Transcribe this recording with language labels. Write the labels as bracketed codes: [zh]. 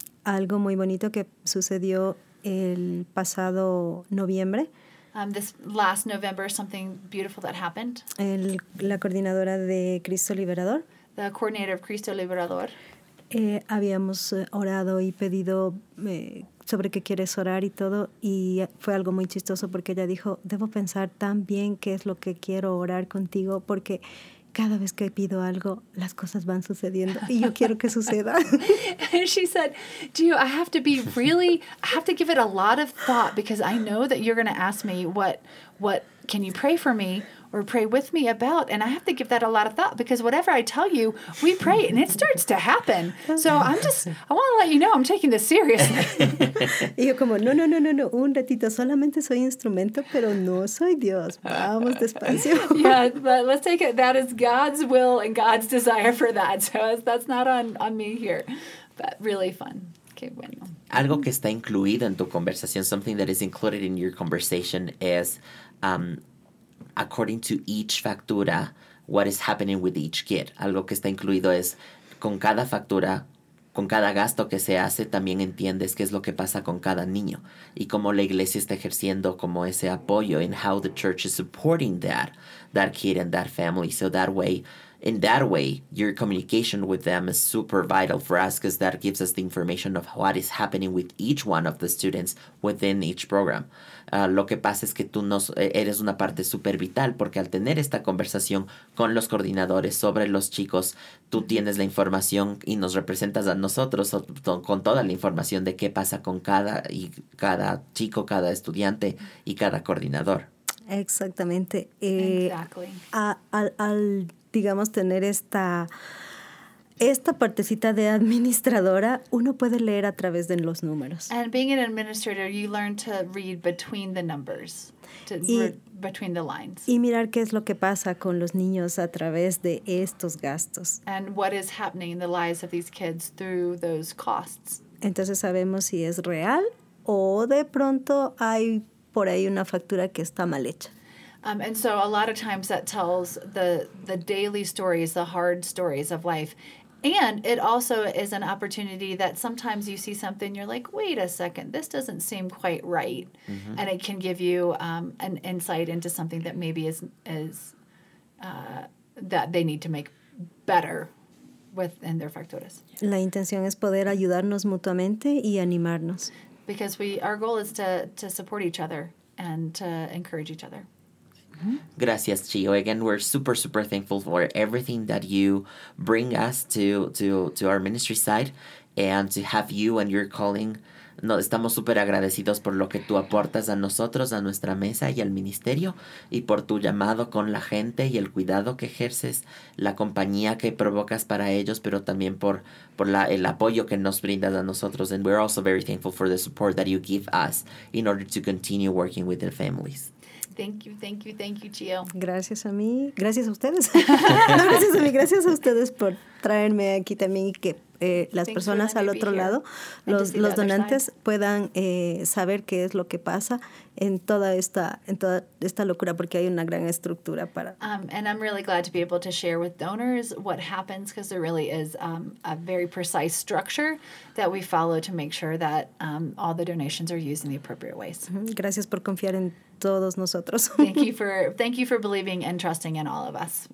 [es] Algo muy bonito que sucedió el pasado noviembre. [en] This last November, something beautiful that happened. [es] La coordinadora de Cristo Liberador. [en] The coordinator of Cristo Liberador. [es] Habíamos orado y pedido sobre qué quieres orar y todo, y fue algo muy chistoso porque ella dijo, debo pensar tan bien qué es lo que quiero orar contigo, porque cada vez que pido algo, las cosas van sucediendo y yo quiero que suceda. [en] And she said, Gio, I have to give it a lot of thought because I know that you're going to ask me what can you pray for me or pray with me about, and I have to give that a lot of thought because whatever I tell you, we pray and it starts to happen. So I want to let you know I'm taking this seriously. [es] Y yo como, no, un ratito, solamente soy instrumento, pero no soy Dios. Vamos despacio. [en] Yeah, but let's take it, that is God's will and God's desire for that. So that's not on me here, but really fun. [es] Okay, bueno. Algo que está incluido en tu conversación, [en] something that is included in your conversation is, according to each factura, what is happening with each kid. [es] Algo que está incluido es, con cada factura, con cada gasto que se hace, también entiendes qué es lo que pasa con cada niño. Y cómo la iglesia está ejerciendo como ese apoyo, [en] and how the church is supporting that kid and that family. So that way, in that way, your communication with them is super vital for us because that gives us the information of what is happening with each one of the students within each program. [es] Lo que pasa es que tú eres una parte súper vital porque al tener esta conversación con los coordinadores sobre los chicos, tú tienes la información y nos representas a nosotros con toda la información de qué pasa con cada chico, cada estudiante y cada coordinador. Exactamente. [en] Exactly. [es] Digamos, tener esta partecita de administradora, uno puede leer a través de los números. [en] And being an administrator, you learn to read between the numbers, between the lines. [es] Y mirar qué es lo que pasa con los niños a través de estos gastos. [en] And what is happening in the lives of these kids through those costs. [es] Entonces sabemos si es real o de pronto hay por ahí una factura que está mal hecha. [en] And so a lot of times that tells the daily stories, the hard stories of life. And it also is an opportunity that sometimes you see something, you're like, wait a second, this doesn't seem quite right. Mm-hmm. And it can give you an insight into something that maybe is that they need to make better within their factores. [es] La intención es poder ayudarnos mutuamente y animarnos. [en] Because our goal is to support each other and to encourage each other. [es] Gracias, Chio. [en] Again, we're super, super thankful for everything that you bring us to our ministry side and to have you and your calling. [es] No, estamos super agradecidos por lo que tú aportas a nosotros, a nuestra mesa y al ministerio, y por tu llamado con la gente y el cuidado que ejerces, la compañía que provocas para ellos, pero también por el apoyo que nos brindas a nosotros. [en] And we're also very thankful for the support that you give us in order to continue working with the families. Thank you, Gio. [es] Gracias a mí. Gracias a ustedes. No, gracias a mí. Gracias a ustedes por traerme aquí también y que las personas al otro lado, los donantes, puedan saber qué es lo que pasa en toda esta locura, porque hay una gran estructura para... [en] And I'm really glad to be able to share with donors what happens, because there really is a very precise structure that we follow to make sure that all the donations are used in the appropriate ways. [es] Gracias por confiar en todos nosotros. [en] Thank you for believing and trusting in all of us.